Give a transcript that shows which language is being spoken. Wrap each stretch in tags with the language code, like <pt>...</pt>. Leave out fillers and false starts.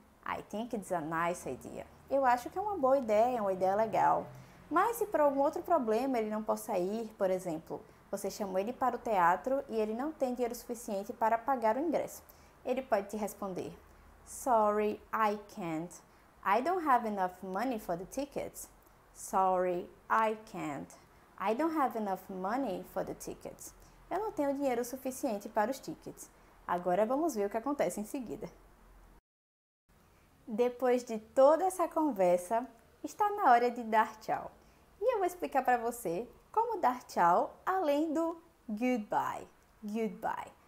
<en>I think it's a nice idea.</en> <pt>Eu acho que é uma boa ideia, uma ideia legal. Mas se por algum outro problema ele não possa ir, por exemplo, você chamou ele para o teatro e ele não tem dinheiro suficiente para pagar o ingresso, ele pode te responder:</pt> <en>Sorry, I can't. I don't have enough money for the tickets. Sorry, I can't. I don't have enough money for the tickets.</en> <pt>Eu não tenho dinheiro suficiente para os tickets. Agora vamos ver o que acontece em seguida. Depois de toda essa conversa, está na hora de dar tchau. Eu vou explicar para você como dar tchau além do</pt> <en>goodbye, goodbye.</en>